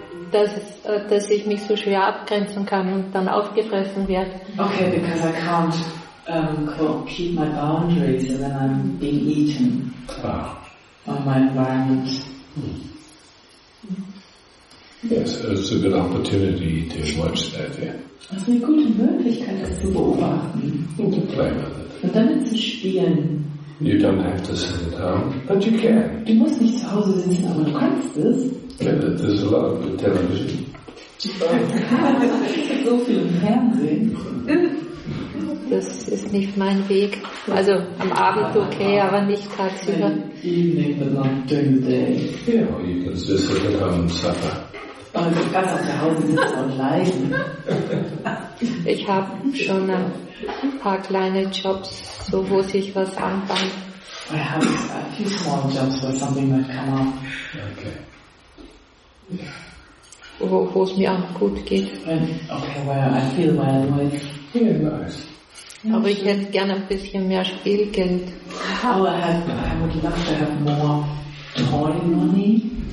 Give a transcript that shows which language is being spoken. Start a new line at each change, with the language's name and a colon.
German: Dass ich mich so schwer abgrenzen kann und dann aufgefressen werde.
English: Okay, because I can't keep my boundaries when I'm being eaten by my environment. Yes, it's a good opportunity to watch that, yeah.
German: Das ist eine gute Möglichkeit, das zu beobachten.
English: To play with it.
German: Und damit zu spielen.
English: You don't have to sit at home, but you can.
German: Du musst nicht zu Hause sitzen, aber du kannst es.
English: Yeah, there's a lot of good television.
German: So viel im Fernsehen. Das ist nicht mein Weg. Also am Abend okay, aber nicht tagsüber.
English: Evening, but not during the day. Yeah, or you can just sit at home and suffer.
German: Und ganz auf der Hause sitzen und leiden. Ich habe schon ein paar kleine Jobs, so wo sich was anfangen.
English: I have a few small jobs where something might come up. Okay.
German: Wo es mir auch gut geht.
English: Okay, where I feel my life. Yeah, nice.
German: Aber ich hätte gerne ein bisschen mehr Spielgeld.
English: I would love to have more toy money.